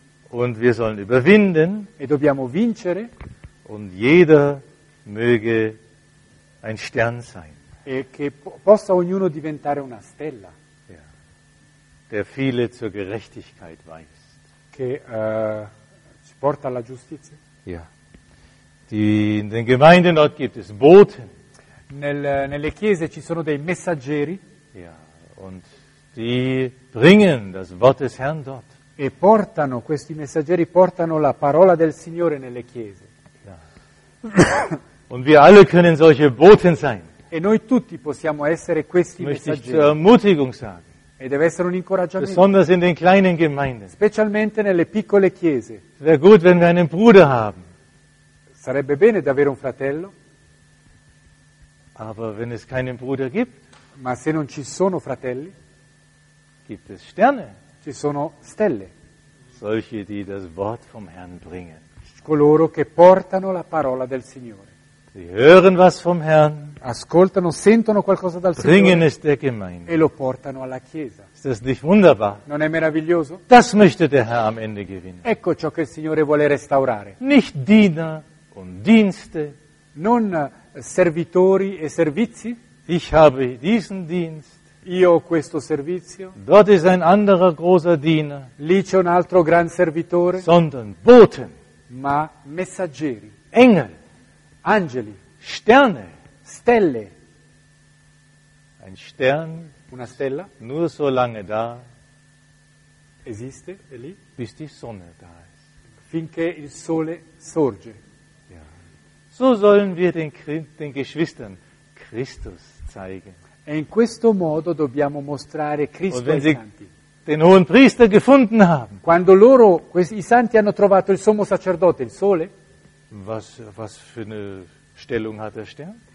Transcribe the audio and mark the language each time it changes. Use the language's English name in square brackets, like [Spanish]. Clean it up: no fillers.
[German] Und wir sollen überwinden. [Italian] E dobbiamo vincere. [German] Und jeder möge ein Stern sein. [Italian] E che possa ognuno diventare una stella. [German] Ja. Der viele zur Gerechtigkeit weist. [Italian] Che ci porta alla giustizia. [German] Ja. Die, in den Gemeinden dort gibt es Boten. [Italian] Nelle chiese ci sono dei messaggeri. [German] Ja. Und die bringen das Wort des Herrn dort. [Italian] E portano, questi messaggeri portano la parola del Signore nelle chiese. [German] Ja. Und wir alle können solche Boten sein. [Italian] E noi tutti possiamo essere questi [German] Möchte [Italian] messaggeri. [German] Ich zur Ermutigung sagen. [Italian] E deve essere un incoraggiamento. [German] Besonders in den kleinen Gemeinden. [Italian] Specialmente nelle piccole chiese. [German] Wäre gut, wenn wir einen Bruder haben. [Italian] Sarebbe bene di avere un fratello. [German] Aber wenn es keinen Bruder gibt. [Italian] Ma se non ci sono fratelli. [German] Gibt es Sterne. [Italian] Ci sono stelle. [German] Solche, die das Wort vom Herrn bringen. [Italian] Coloro che portano la parola del Signore. [German] Sie hören was vom Herrn. [Italian] Ascoltano, sentono qualcosa dal [German] bringen [Italian] Signore. [German] Bringen es der Gemeinde. [Italian] E lo portano alla Chiesa. [German] Ist das nicht wunderbar? [Italian] Non è meraviglioso? [German] Das möchte der Herr am Ende gewinnen. [Italian] Ecco ciò che il Signore vuole restaurare. [German] Nicht Diener und Dienste. [Italian] Non servitori e servizi. [German] Ich habe diesen Dienst. [Italian] Io questo servizio. [German] Dort ist ein anderer großer Diener. [Italian] Lì c'è un altro gran servitore. [German] Sondern Boten. [Italian] Ma messaggeri. [German] Engel. [Italian] Angeli. [German] Sterne. [Italian] Stelle. [German] Ein Stern. [Italian] Una stella. [German] Nur so lange da. [Italian] Esiste, è lì. [German] Bis die Sonne da ist. [Italian] Finché il sole sorge. [German] Ja. So sollen wir den Geschwistern Christus zeigen. [Italian] E in questo modo dobbiamo mostrare Cristo ai santi. [German] Den hohen Priester gefunden haben. [Italian] Quando loro, i santi hanno trovato il sommo sacerdote, il sole. [German] Was für eine Stellung hat der Stern?